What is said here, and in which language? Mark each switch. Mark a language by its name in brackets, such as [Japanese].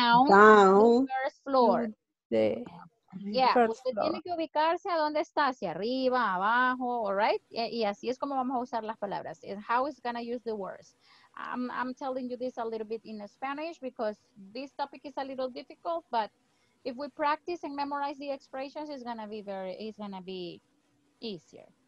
[English] Take the elevator down to the first floor. [Spanish] Usted tiene que ubicarse a dónde está, hacia arriba, abajo, [English] all right? [Spanish] Y así es como vamos a usar las palabras. [English] And how is going to use the words? I'm telling you this a little bit in Spanish because this topic is a little difficult, but if we practice and memorize the expressions, it's gonna be easier.